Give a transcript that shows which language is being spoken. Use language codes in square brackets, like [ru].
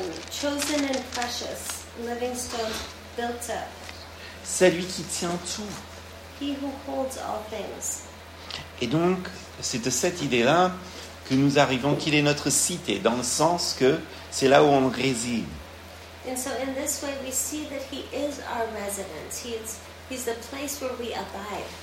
[en] Chosen and precious, living stone built up. [fr] C'est lui qui tient tout. [en] He who holds all things. [fr] Et donc, c'est de cette idée-là que nous arrivons, qu'il est notre cité, dans le sens que c'est là où on réside. [en] And so in this way we see that he is our residence. He's the place where we abide.